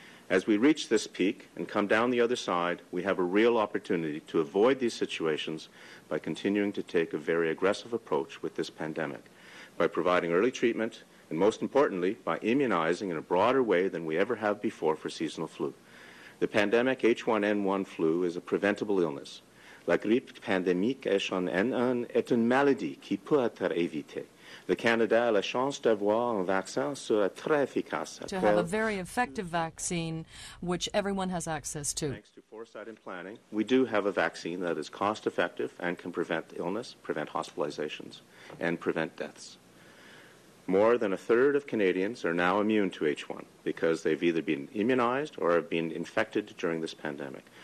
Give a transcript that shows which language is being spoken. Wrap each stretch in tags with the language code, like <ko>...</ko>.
<en>As we reach this peak and come down the other side, we have a real opportunity to avoid these situations by continuing to take a very aggressive approach with this pandemic, by providing early treatment, and most importantly, by immunizing in a broader way than we ever have before for seasonal flu. The pandemic H1N1 flu is a preventable illness.</en> <fr>La grippe pandémique H1N1 est une maladie qui peut être évitée. Le Canada a la chance d'avoir un vaccin sera très efficace.</fr> <en>To have a very effective vaccine, which everyone has access to. Thanks to foresight and planning, we do have a vaccine that is cost-effective and can prevent illness, prevent hospitalizations, and prevent deaths. More than a third of Canadians are now immune to H1 because they've either been immunized or have been infected during this pandemic.</en>